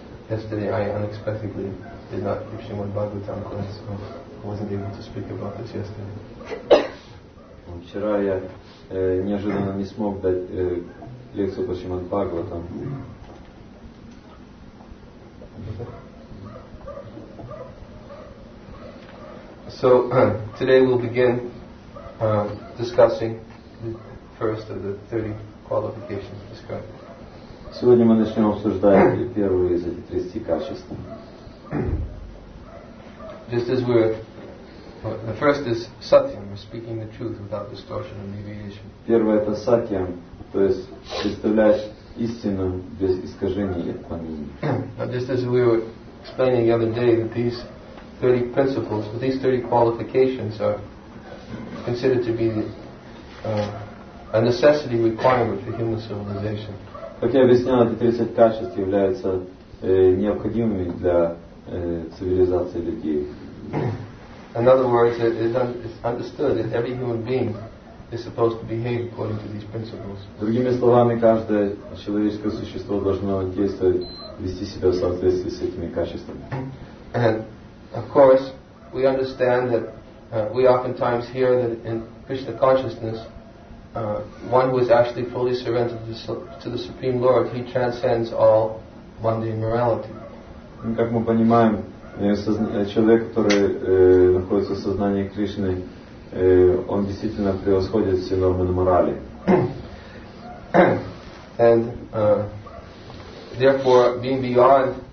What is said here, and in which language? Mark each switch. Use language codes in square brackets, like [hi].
[en] Yesterday I unexpectedly did not give Shrimad Bhagavatam class, so I wasn't able to speak about this yesterday. [ru] Вчера я неожиданно не смог дать лекцию по Шримад Бхагаватам. [en] So today we'll begin discussing the first of the 30 qualifications described. [ru] Сегодня мы начнем обсуждать первые из этих 30 качеств. [en] Just as we're the first is satyam, speaking the truth without distortion and deviation. [ru] Первое это сатьям. То есть представляешь истину без искажений и отклонений. [en] Just as we were explaining the other day, that these 30 principles, these 30 qualifications are considered to be a necessity requirement for human civilization. [ru] Как я объяснял, эти 30 качеств являются необходимыми для цивилизации людей. [en] In other words, it's understood that every human being is supposed to behave according to these principles. [ru] Другими словами, каждое человеческое существо должно действовать, вести себя в соответствии с этими качествами. [en] And of course, we understand that we oftentimes hear that in Krishna consciousness, one who is actually fully surrendered to the Supreme Lord, he transcends all mundane morality. [ru] Как мы понимаем, человек, который находится в сознании Кришны, он действительно превосходит все нормы морали. [en] And therefore, being beyond